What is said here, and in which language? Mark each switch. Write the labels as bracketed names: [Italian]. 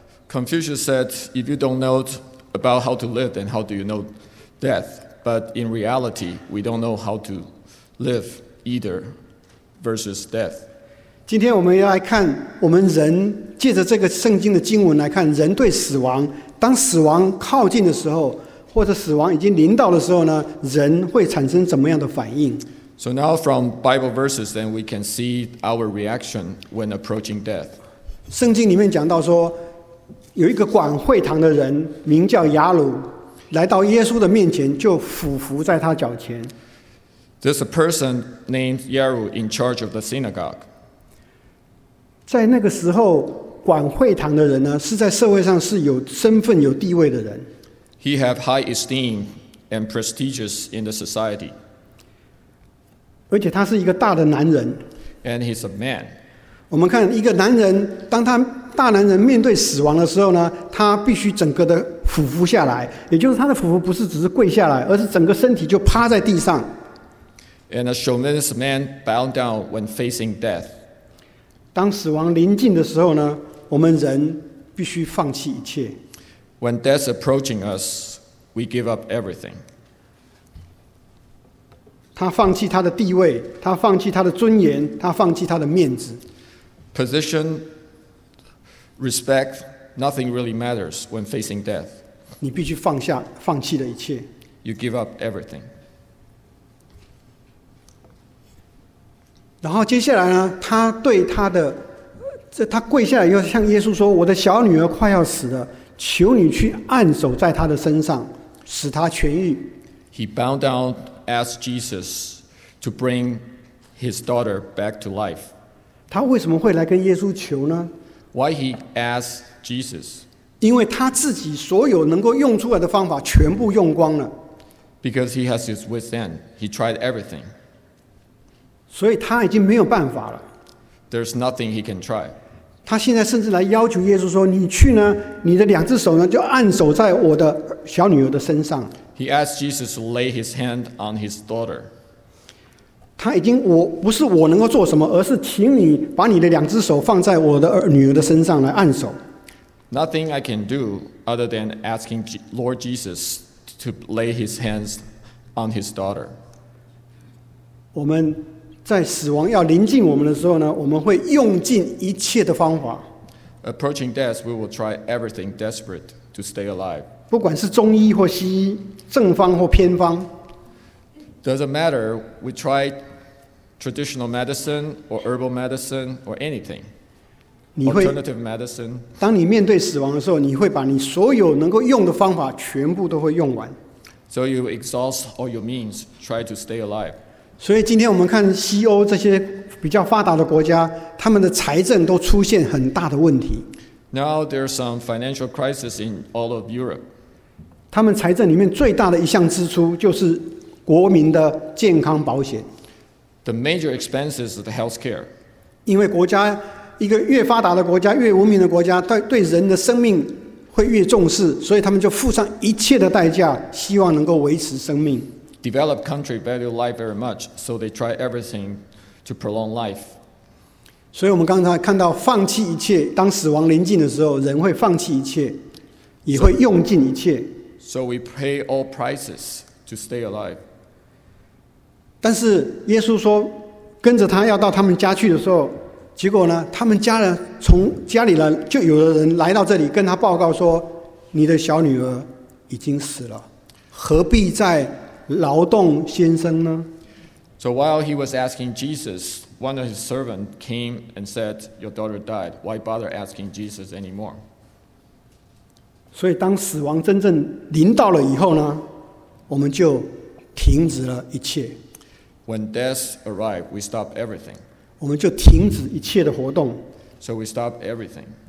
[English] Confucius said, "If you don't know about how to live, then how do you know death?" But in reality, we don't know how to live either. Versus death. [Chinese] 今天我们要来看，我们人借着这个圣经的经文来看，人对死亡，当死亡靠近的时候，或者死亡已经临到的时候呢，人会产生怎么样的反应 [English] ？So now from Bible verses, then we can see our reaction when approaching death. [Chinese] 圣经里面讲到说，有一个管会堂的人名叫雅鲁，来到耶稣的面前，就俯伏在他脚前。 [English] There's a person named Yairu in charge of the synagogue. [Chinese] 在那个时候，管会堂的人呢，是在社会上是有身份、有地位的人。 [English] He had high esteem and prestigious in the society. [Chinese] 而且他是一个大的男人。 [English] And he's a man. [Chinese] 我们看一个男人，当他大男人面对死亡的时候呢，他必须整个的俯伏下来，也就是他的俯伏不是只是跪下来，而是整个身体就趴在地上。 [English] And a chauvinist man bowed down when facing death. [Chinese] 当死亡临近的时候呢，我们人必须放弃一切。 [English] When death approaching us, we give up everything. [Chinese] 他放弃他的地位，他放弃他的尊严，他放弃他的面子。 [English] Position, respect, nothing really matters when facing death. [Chinese] 你必须放下放弃的一切。 [English] You give up everything. [Chinese] 然后接下来呢，他对他的，他跪下来又向耶稣说：“我的小女儿快要死了，求你去按手在她的身上，使她痊愈。” [English] He bowed down, asked Jesus to bring his daughter back to life. [Chinese] 他为什么会来跟耶稣求呢 [English] ？Why he asked Jesus? [Chinese] 因为他自己所有能够用出来的方法全部用光了。 [English] Because he has his wit's end, he tried everything. [Chinese] 所以他已经没有办法了。 [English] There's nothing he can try. [Chinese] 他现在甚至来要求耶稣说：“你去呢，你的两只手呢，就按守在我的小女儿的身上。” [English] He asked Jesus to lay his hand on his daughter. [Chinese] 他已经不是我能够做什么，而是请你把你的两只手放在我的女儿的身上来按守。 [English] Nothing I can do other than asking Lord Jesus to lay his hands on his daughter. [Chinese] 我们。在死亡要临近我们的时候呢，我们会用尽一切的方法。 [English] Approaching death, we will try everything desperate to stay alive. [Chinese] 不管是中医或西医，正方或偏方。 [English] Doesn't matter. We try traditional medicine or herbal medicine or anything. Alternative medicine. [Chinese] 当你面对死亡的时候，你会把你所有能够用的方法全部都会用完。 [English] So you exhaust all your means, try to stay alive. [Chinese] 所以今天我们看西欧这些比较发达的国家，他们的财政都出现很大的问题。 [English] Now there are some financial crisis in all of Europe. [Chinese] 他们财政里面最大的一项支出就是国民的健康保险。 [English] the major expenses of the healthcare. [Chinese] 因为国家一个越发达的国家，越文明的国家，对人的生命会越重视，所以他们就付上一切的代价，希望能够维持生命。 [English] Developed country value life very much, so they try everything to prolong life. [Chinese] 所以我们刚才看到，放弃一切，当死亡临近的时候，人会放弃一切，也会用尽一切。 [English] So we pay all prices to stay alive. [Chinese] 但是耶稣说，跟着他要到他们家去的时候，结果呢，他们家人从家里来，就有的人来到这里跟他报告说，你的小女儿已经死了，何必再劳动先生呢？ [English] So while he was asking Jesus, one of his servants came and said, your daughter died. Why bother asking Jesus anymore? [Chinese] 所以当死亡真正临到了以后呢，我们就停止了一切。 [English] When death arrived, we stopped everything. [Chinese] 我们就停止一切的活动。 [English] So we stopped everything.